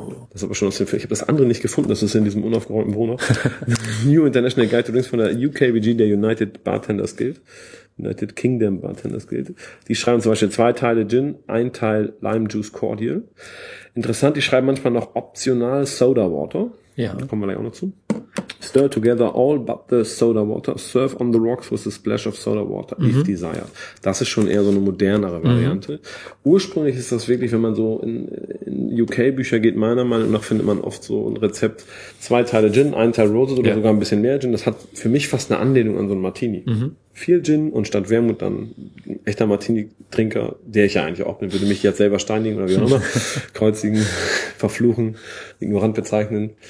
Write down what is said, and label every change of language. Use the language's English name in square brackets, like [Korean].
[German] Das ist aber schon aus dem, ich habe das andere nicht gefunden, das ist in diesem unaufgeräumten Wohnort. New International Guide to Drinks von der UKBG, der United Bartenders Guild. United Kingdom Bartenders Guild. Die schreiben zum Beispiel 2 Teile Gin, 1 Teil Lime Juice Cordial. Interessant, die schreiben manchmal noch optional Soda Water. Ja. Da kommen wir gleich auch noch zu. [English] Stir together all but the soda water. Serve on the rocks with a splash of soda water, if desired. [German] Das ist schon eher so eine modernere Variante. Ursprünglich ist das wirklich, wenn man so in UK-Bücher geht, meiner Meinung nach findet man oft so ein Rezept. 2 Teile Gin, 1 Teil Roses oder sogar ein bisschen mehr Gin. Das hat für mich fast eine Anlehnung an so einen Martini. Viel Gin und statt Wermut dann ein echter Martini-Trinker, der ich ja eigentlich auch bin, würde mich jetzt selber steinigen oder wie auch immer, kreuzigen, verfluchen, ignorant bezeichnen.